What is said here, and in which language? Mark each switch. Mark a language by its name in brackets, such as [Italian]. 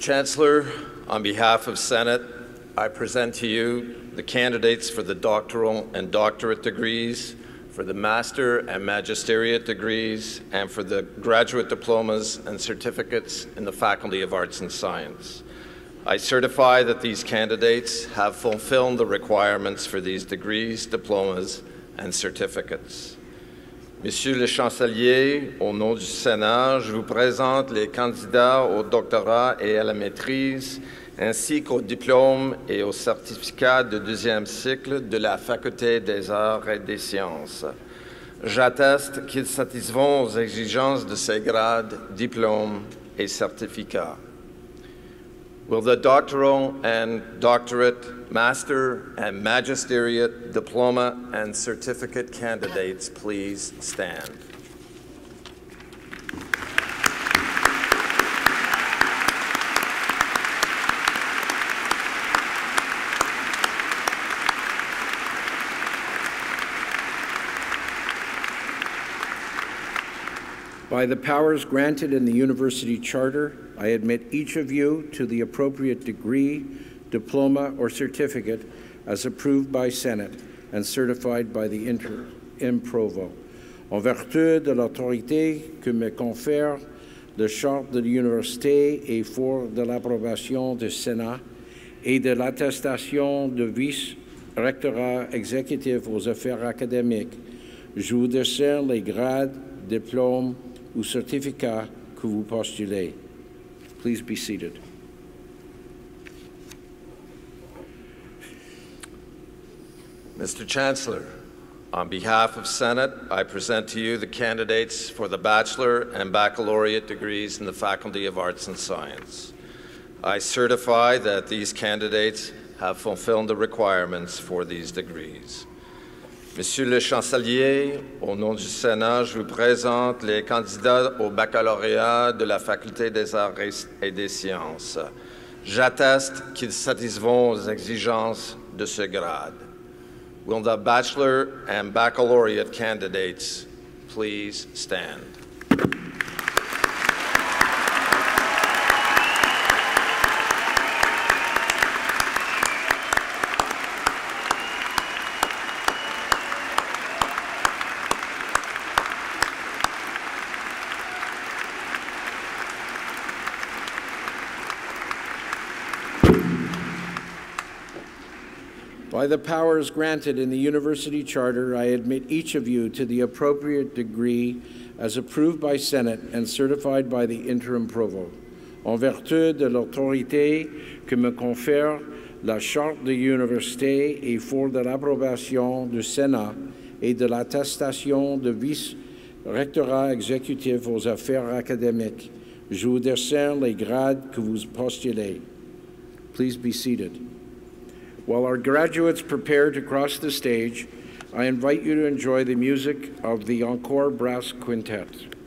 [English] Chancellor, on behalf of Senate, I present to you the candidates for the doctoral and doctorate degrees, for the master and magisteriate degrees, and for the graduate diplomas and certificates in the Faculty of Arts and Science. I certify that these candidates have fulfilled the requirements for these degrees, diplomas, and certificates. [French] Monsieur le Chancelier, au nom du Sénat, je vous présente les candidats au doctorat et à la maîtrise, ainsi qu'au diplôme et au certificat de deuxième cycle de la Faculté des arts et des sciences. J'atteste qu'ils satisfont aux exigences de ces grades, diplômes et certificats. [English] Will the doctoral and doctorate, master and magisteriate, diploma and certificate candidates please stand? By By the powers granted in the university charter, I admit each of you to the appropriate degree, diploma, or certificate as approved by Senate and certified by the Inter Improvo. [French] En vertu de l'autorité que me confère le charte de l'université et fort de l'approbation du Sénat et de l'attestation de vice-rectorat exécutif aux affaires académiques, je vous décerne les grades, diplômes ou certificats que vous postulez. [English] Please be seated. Mr. Chancellor, on behalf of Senate, I present to you the candidates for the bachelor and baccalaureate degrees in the Faculty of Arts and Science. I certify that these candidates have fulfilled the requirements for these degrees. [French] Monsieur le Chancelier, au nom du Sénat, je vous présente les candidats au baccalauréat de la Faculté des Arts et des Sciences. J'atteste qu'ils satisfont aux exigences de ce grade. [English] Will the bachelor and baccalaureate candidates please stand? By the powers granted in the university charter, I admit each of you to the appropriate degree as approved by Senate and certified by the interim provo. [French] En vertu de l'autorité que me confère la charte de l'université et fort de l'approbation du Sénat et de l'attestation de vice-rectorat exécutif aux affaires académiques, je vous décerne les grades que vous postulez. [English] Please be seated. While our graduates prepare to cross the stage, I invite you to enjoy the music of the Encore Brass Quintet.